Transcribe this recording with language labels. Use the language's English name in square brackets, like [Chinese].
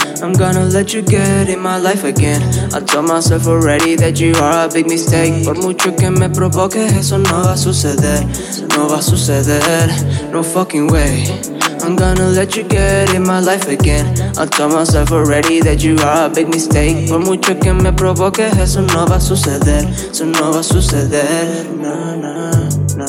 [English] I'm gonna let you get in my life again. I told myself already that you are a big mistake. [Spanish] Por mucho que me provoque, eso no va a suceder. No va a suceder, [English] no fucking way. I'm gonna let you get in my life again. I told myself already that you are a big mistake. [Spanish] Por mucho que me provoque, eso no va a suceder. Eso no va a suceder, no, no.